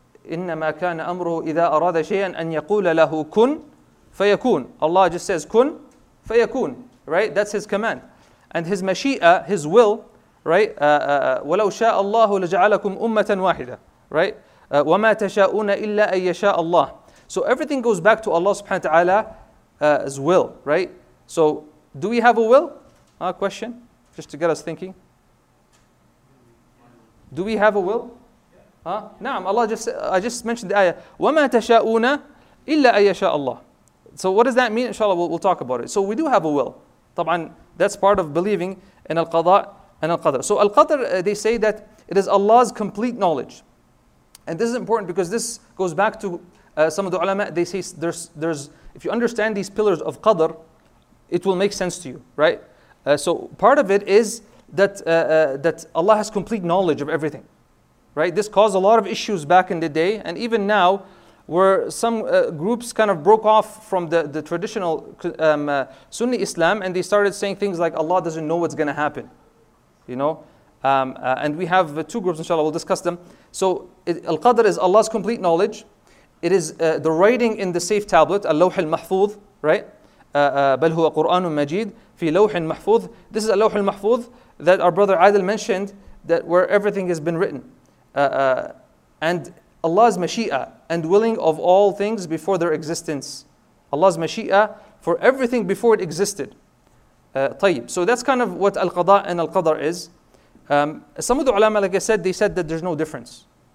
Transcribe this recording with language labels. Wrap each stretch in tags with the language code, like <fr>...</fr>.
<ar>إِنَّمَا كَانَ أَمْرُهُ إِذَا أَرَادَ شَيْئًا أَنْ يَقُولَ لَهُ كُنْ فَيَكُونَ.</ar> <en>Allah just says, kun, fayakun, right? That's His command. And his mashi'a, his will, right?</en> <ar>وَلَوْ شَاءَ اللَّهُ لَجَعَلَكُمْ أُمَّةً وَاحِدَةً, right? وَمَا تَشَاءُونَ إِلَّا أَن يَشَاءَ اللَّهُ.</ar> <en>So everything goes back to Allah subhanahu wa ta'ala's will, right? So do we have a will? Question, just to get us thinking. Do we have a will? نعم, Allah just, I just mentioned the ayah.</en> <ar>وَمَا تَشَاءُونَ إِلَّا أَن يَشَاءَ اللَّهُ.</ar> <en>So what does that mean? Inshallah, we'll talk about it. So we do have a will. طبعاً, that's part of believing in al-qada and al-qadr. So al-qadr, they say that it is Allah's complete knowledge. And this is important because this goes back to some of the ulama. They say there's if you understand these pillars of qadr, it will make sense to you, right? So part of it is that that Allah has complete knowledge of everything, right? This caused a lot of issues back in the day, and even now, where some groups kind of broke off from the traditional Sunni Islam, and they started saying things like Allah doesn't know what's going to happen, you know. And we have two groups, inshallah, we'll discuss them. So al-Qadr is Allah's complete knowledge. It is the writing in the safe tablet, al-Lawh al-Mahfuz, right?</en> <ar>بل هو قرآن مجيد في لوح محفوظ.</ar> <en>This is al-Lawh al-Mahfuz that our brother Adil mentioned, that where everything has been written. And Allah's mashi'a and willing of all things before their existence. Allah's mashi'a for everything before it existed. طيب. So that's kind of what al-Qadr and al-Qadr is. Some of the ulama, like I said, they said that there's no difference.</en>